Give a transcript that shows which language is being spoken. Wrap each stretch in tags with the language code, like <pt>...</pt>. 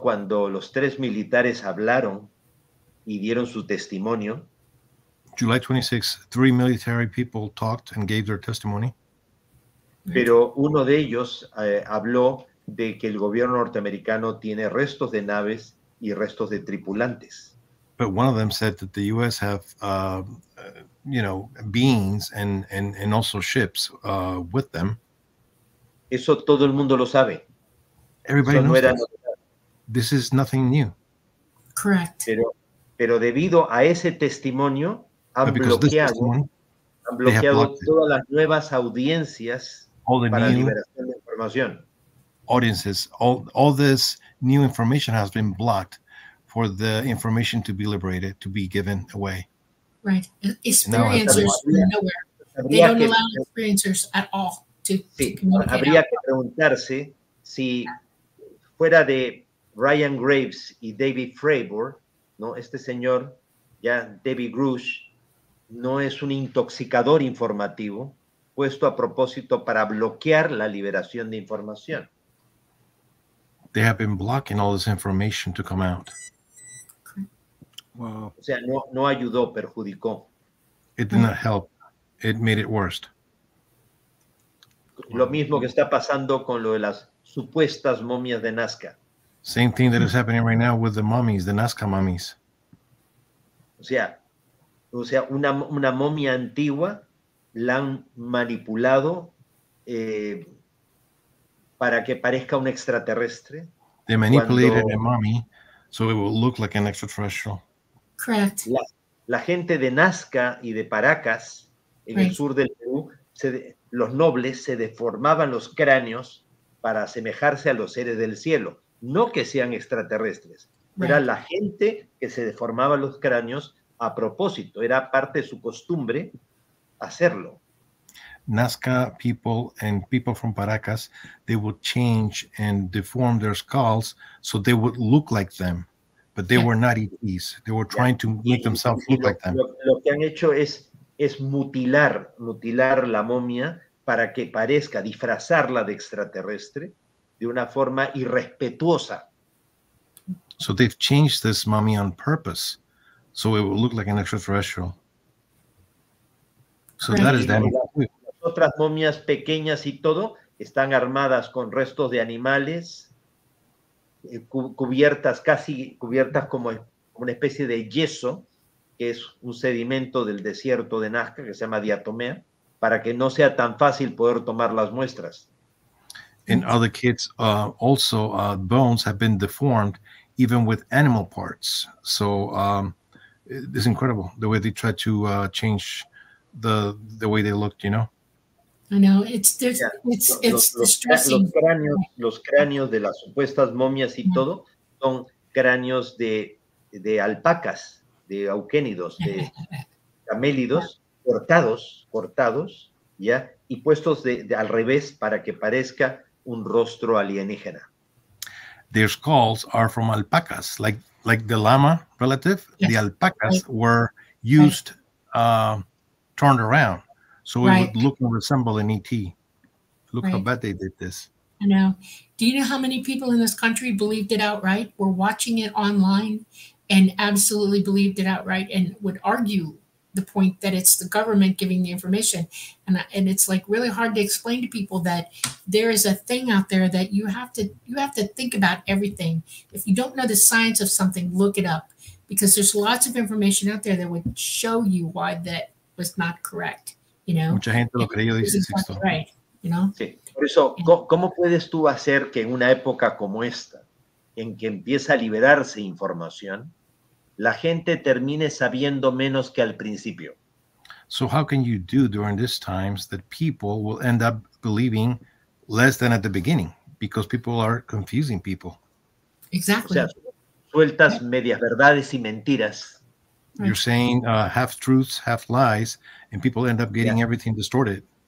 <es>Cuando los tres militares hablaron y dieron su testimonio.</es> <en>July 26, three military people talked and gave their testimony.</en> <es>Pero uno de ellos habló de que el gobierno norteamericano tiene restos de naves y restos de tripulantes.</es> <en>But one of them said that the U.S. have, you know, beings and also ships with them.</en> <es>Eso todo el mundo lo sabe.</es> <en>Everybody knows that. This is nothing new. Correct.</en> <es>Pero debido a ese testimonio, han bloqueado todas las nuevas audiencias para liberación de información.</es> <en>Audiences, all this new information has been blocked for the information to be liberated, to be given away. Right. Experiencers nowhere. They don't allow experiencers at all to communicate.</en> <es>Habría que preguntarse si fuera de Ryan Graves y David Fravor, ¿no? Este señor, ya David Grush, no es un intoxicador informativo puesto a propósito para bloquear la liberación de información.</es> <en>They have been blocking all this information to come out. Wow.</en> <es>O sea, no ayudó, perjudicó.</es> <en>It did not help. It made it worse.</en> <es>Lo mismo que está pasando con lo de las supuestas momias de Nazca.</es> <en>Same thing that is happening right now with the mummies, the Nazca mummies.</en> <es>O sea, una momia antigua la han manipulado para que parezca un extraterrestre.</es> <en>They manipulated a mummy so it will look like an extraterrestrial. Correct.</en> <es>La gente de Nazca y de Paracas, en el sur del Perú, los nobles se deformaban los cráneos para asemejarse a los seres del cielo. No que sean extraterrestres. Right. Era la gente que se deformaba los cráneos a propósito. Era parte de su costumbre hacerlo.</es> <en>Nazca people and people from Paracas, they would change and deform their skulls so they would look like them. But they were not ETs. They were trying to make themselves look like them.</en> <es>Lo que han hecho es mutilar la momia para que parezca, disfrazarla de extraterrestre de una forma irrespetuosa.</es> <en>So they've changed this mummy on purpose so it will look like an extraterrestrial. So that is them.</en> <es>Las otras momias pequeñas y todo están armadas con restos de animales, cubiertas, casi cubiertas como una especie de yeso, que es un sedimento del desierto de Nazca, que se llama diatomea, para que no sea tan fácil poder tomar las muestras.</es> <en>In other kids, bones have been deformed, even with animal parts. So it's incredible the way they try to change the way they looked, you know? I know, it's distressing.</en> <es>Los cráneos de las supuestas momias y todo son cráneos de alpacas, de auquénidos, de camélidos, cortados, ya, y puestos de al revés para que parezca un rostro alienígena.</es> <en>Their skulls are from alpacas, like the llama relative. Yes. The alpacas were used, turned around. So it would look and resemble an ET. Look how bad they did this. I know. Do you know how many people in this country believed it outright, were watching it online and absolutely believed it outright and would argue the point that it's the government giving the information? And it's like really hard to explain to people that there is a thing out there that you have to think about everything. If you don't know the science of something, look it up, because there's lots of information out there that would show you why that was not correct. You know,</en> <es>mucha gente lo creyó, dice Sixto.</es> <en>Right, you know?</en> <es>Sí. Por eso, ¿cómo puedes tú hacer que en una época como esta, en que empieza a liberarse información, la gente termine sabiendo menos que al principio?</es> <en>So how can you do during these times that people will end up believing less than at the beginning? Because people are confusing people. Exactly.</en> <es>O sea, sueltas medias verdades y mentiras.</es> <en>You're saying half truths, half lies, and people end up getting everything distorted.</en>